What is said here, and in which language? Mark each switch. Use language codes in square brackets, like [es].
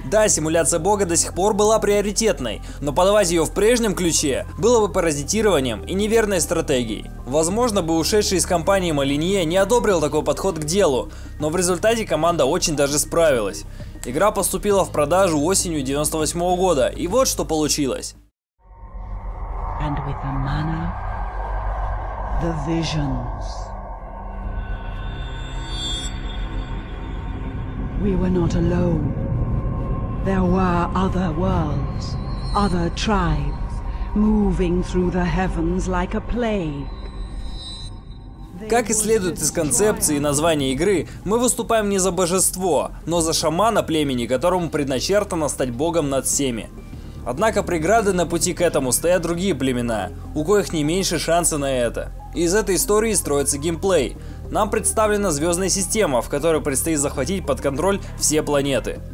[ru] Да, симуляция бога до сих пор была приоритетной, но подавать ее в прежнем ключе было бы паразитированием и неверной стратегией. Возможно бы ушедший из компании Малинье не одобрил такой подход к делу, но в результате команда очень даже справилась. Игра поступила в продажу осенью 98 года, и вот что получилось. [en] And with the mana, the visions. We were not alone. There were other worlds, other tribes, moving through the heavens like a plague. [ru] Как и следует из концепции и названия игры, мы выступаем не за божество, но за шамана племени, которому предначертано стать богом над всеми. Однако преграды на пути к этому стоят другие племена, у коих не меньше шансы на это. Из этой истории строится геймплей. Нам представлена звездная система, в которой предстоит захватить под контроль все планеты.